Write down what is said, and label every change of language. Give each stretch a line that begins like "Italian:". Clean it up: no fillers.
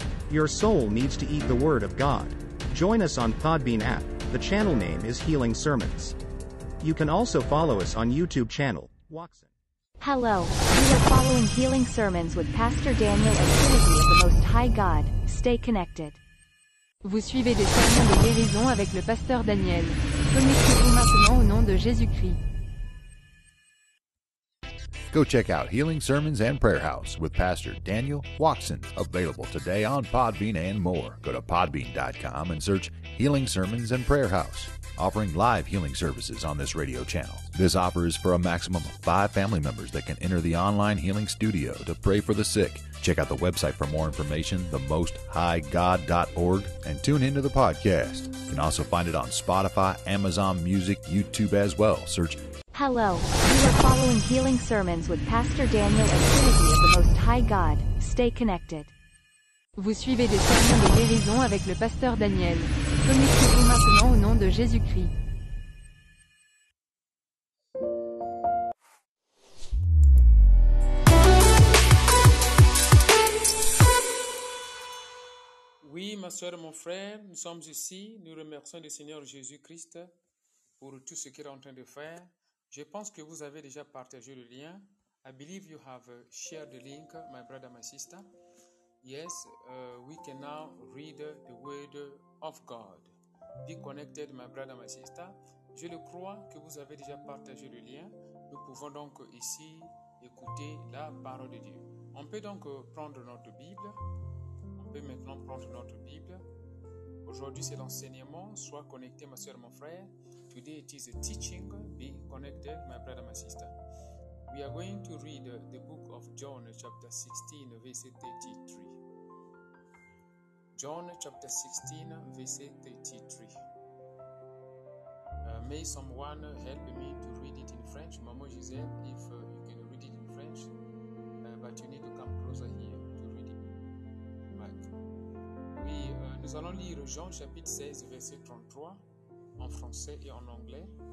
English: Your soul needs to eat the Word of God. Join us on Podbean app, the channel name is Healing Sermons. You can also follow us on YouTube channel, Watson. Hello, you are following Healing Sermons with Pastor Daniel and Trinity of the Most High God. Stay connected.
French: Vous suivez des sermons de guérison avec le Pasteur Daniel. Connectez-vous maintenant au nom de Jésus-Christ.
English: Go check out Healing Sermons and Prayer House with Pastor Daniel Watson. Available today on Podbean and more. Go to podbean.com and search Healing Sermons and Prayer House. Offering live healing services on this radio channel. This offer is for a maximum of 5 family members that can enter the online healing studio to pray for the sick. Check out the website for more information, themosthighgod.org, and tune into the podcast. You can also find it on Spotify, Amazon Music, YouTube as well. Search Hello, you are following Healing Sermons with Pastor Daniel and Trinity of the Most High God. Stay connected.
French: Vous suivez des sermons de guérison avec le Pasteur Daniel. Connectez-vous maintenant au nom de Jésus-Christ. Oui, ma soeur et mon frère, nous sommes ici. Nous remercions le Seigneur Jésus-Christ pour tout ce qu'il est en train de faire. Je pense que vous avez déjà partagé le lien.
English: I believe you have shared the link, my brother, my sister. Yes, we can now read the word of God. Be connected, my brother, my sister.
French: Je le crois que vous avez déjà partagé le lien. Nous pouvons donc ici écouter la parole de Dieu. On peut donc prendre notre Bible. On peut maintenant prendre notre Bible. Aujourd'hui, c'est l'enseignement. Sois connecté, ma soeur, mon frère.
English: Today it is a teaching. Be connected, my brother, my sister. We are going to read the book of John, chapter 16, verset 33. John, chapter 16, verset 33. May someone help me to read it in French. Maman Giselle, if you can read it in French. But you need to come closer here to read it. Right.
French: Oui, nous allons lire Jean chapitre 16, verset 33, en français et en anglais.